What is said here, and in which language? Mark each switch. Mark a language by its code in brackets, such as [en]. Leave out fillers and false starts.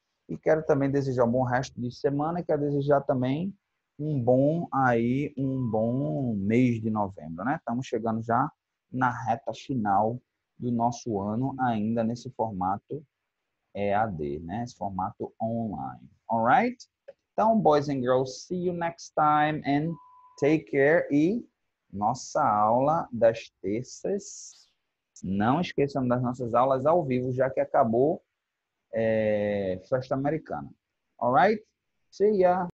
[pt] E quero também desejar um bom resto de semana e quero desejar também um bom aí, um bom mês de novembro, né? Estamos chegando já na reta final do nosso ano, ainda nesse formato EAD, né? Esse formato online. Alright? [en] Então, boys and girls, see you next time and take care. [pt] E nossa aula das terças, não esqueçam das nossas aulas ao vivo, já que acabou festa americana. [en] Alright? See ya!